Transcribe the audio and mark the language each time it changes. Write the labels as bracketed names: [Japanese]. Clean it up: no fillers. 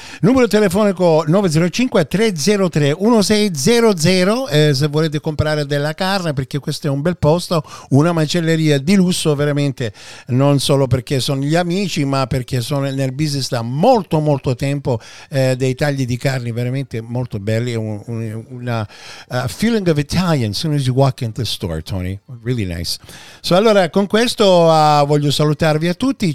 [Italian] Numero telefonico 905-303-1600, se volete comprare della carne, perché questo è un bel posto, una macelleria di lusso veramente, non solo perché sono gli amici, ma perché sono nel business da molto molto tempo, dei tagli di carne veramente molto belli. [English] Feeling of Italian as soon as you walk into the store, Tony. Really nice. [Italian] So allora, con questo voglio salutarvi a tutti.